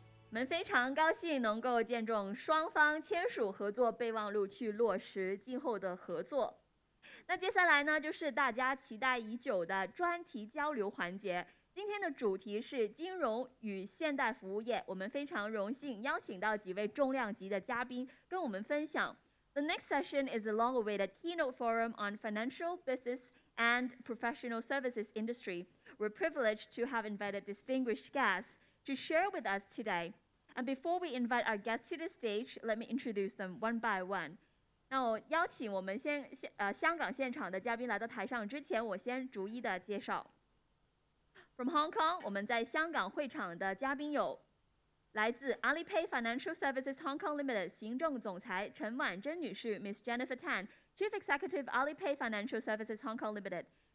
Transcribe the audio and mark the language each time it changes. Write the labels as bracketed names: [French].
[Chinese] 我们非常高兴能够见证双方签署合作备忘录，去落实今后的合作。那接下来呢，就是大家期待已久的专题交流环节。今天的主题是金融与现代服务业，我们非常荣幸邀请到几位重量级的嘉宾跟我们分享。 [English] The next session is a long-awaited keynote forum on financial business and professional services industry. We're privileged to have invited distinguished guests to share with us today. And before we invite our guests to the stage, let me introduce them one by one. [Chinese] 那我邀请我们香港现场的嘉宾来到台上之前，我先逐一的介绍。 [English] From Hong Kong, [Chinese] 我们在香港会场的嘉宾有来自 [English] Alipay Financial Services Hong Kong Limited [Chinese] 行政总裁陈婉珍女士 [English] ，Miss Jennifer Tan, Chief Executive Alipay Financial Services Hong Kong Limited.